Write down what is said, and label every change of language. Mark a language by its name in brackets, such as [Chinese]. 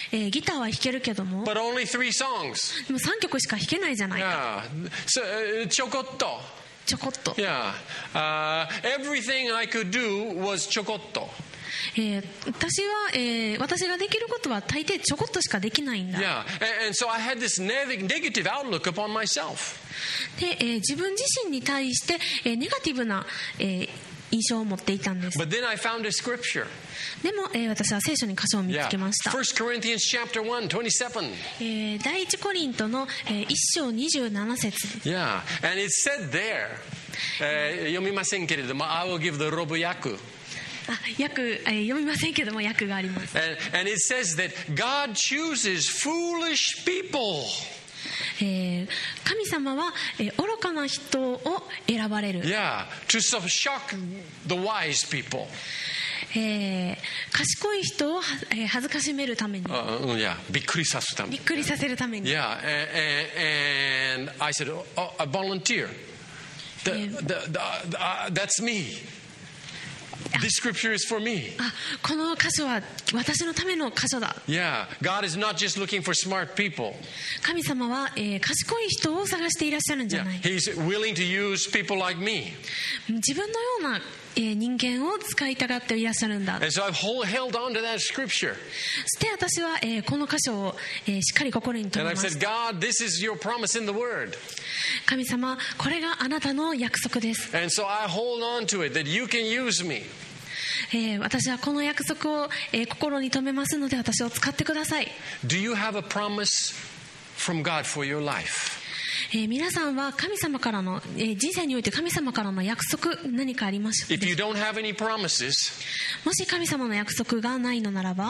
[Japanese] ギターは弾けるけども、 [English] but only three songs. [Japanese] でも3曲しか弾けないじゃないか。 [English] Yeah, so, [Japanese] ちょこっと。ちょこっと。 [English] Yeah, everything I could do was [Japanese] ちょこっと。私ができることは大抵ちょこっとしかできないんだ。 Yeah. [English] And so I had this negative outlook upon myself. [Japanese] で、自分自身に対して、ネガティブな、印象を持っていたんです。 [English] But then I found a scripture. [Japanese] でも、私は聖書に箇所を見つけました。 [English] Yeah. 1 Corinthians chapter 1, 27. [Japanese] 第一コリントの、1章27節。 [English] Yeah. And it said there, [Japanese] 読みませんけれども、 [English] I will give the robe 訳。 [Japanese] 読みませんけども訳があります。 [English] and it says that God chooses foolish people. [Japanese] 神様は、愚かな人を選ばれる。 [English] Yeah, to shock the wise people. [Japanese] 賢い人を、恥ずかしめるために、びっくりさせるために、びっくりさせるために。 [English] Yeah, and I said, oh, a volunteer. That's me. This scripture is for me. [Japanese] この箇所は私のための箇所だ。 [English] Yeah, God is not just looking for smart people. [Japanese] 神様は、賢い人を探していらっしゃるんじゃない。 [English] Yeah, He's willing to use people like me. [Japanese] 自分のような人間を使いたがっていらっしゃるんだ。 [English] And so I've held on to that scripture. [Japanese] そして私は、この箇所を、しっかり心に留めました。 [English] And I've said, God, this is your promise in the word. [Japanese] 神様、これがあなたの約束です。 [English] And so I hold on to it that you can use me. [Japanese] 私はこの約束を、心に留めますので私を使ってください。 [English] Do you have a promise from God for your life? [Japanese] 皆さんは神様からの、人生において神様からの約束何かありますか？ [English] If you don't have any promises, [Japanese] もし神様の約束がないのならば、